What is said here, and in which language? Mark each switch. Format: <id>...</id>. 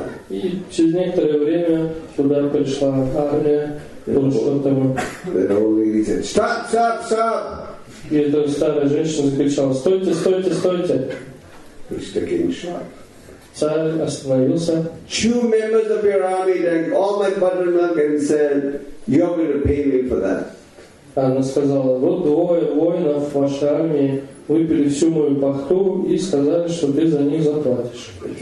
<ru>И через некоторое время туда пришла армия Пурушоттама.</ru> <en>Stop, stop, stop!</en> <ru>И эта старая женщина закричала, стойте, стойте, стойте. Царь остановился.</ru> <en>Two members of your army drank all my buttermilk and said, "You're going to pay me for that."</en> <ru>Она сказала, вот двое воинов в вашей армии выпили всю мою пахту и сказали, что ты за них заплатишь.</ru>